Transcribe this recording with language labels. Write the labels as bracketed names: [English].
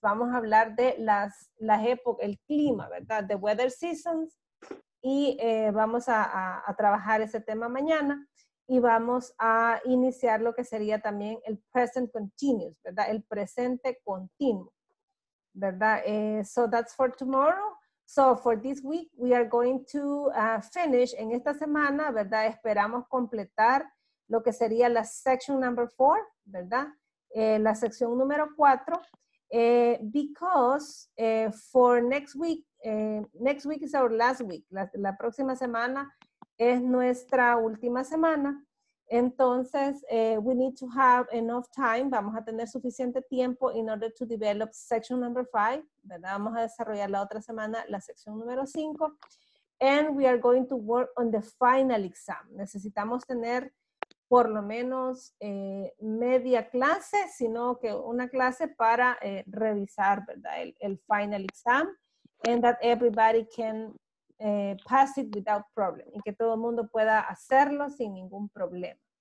[Spanish] Vamos a hablar de las épocas, el clima, ¿verdad? [English] The weather seasons. [Spanish] Y vamos a trabajar ese tema mañana. Y vamos a iniciar lo que sería también el present continuous, ¿verdad? El presente continuo. ¿verdad? [English] So that's for tomorrow. So for this week, we are going to finish. [Spanish] En esta semana, ¿verdad? Esperamos completar lo que sería la [English] section number 4, [Spanish] ¿verdad? La sección número 4. [English] Because for next week, is our last week. [Spanish] La próxima semana es nuestra última semana. [English] Entonces, we need to have enough time. [Spanish] Vamos a tener suficiente tiempo [English] in order to develop section number 5, [Spanish] ¿verdad? Vamos a desarrollar la otra semana la sección número 5. [English] And we are going to work on the final exam. [Spanish] Necesitamos tener por lo menos media clase, sino que una clase para revisar, ¿verdad? El final exam. [English] And that everybody can pass it without problem. [Spanish] Y que todo el mundo pueda hacerlo sin ningún problema.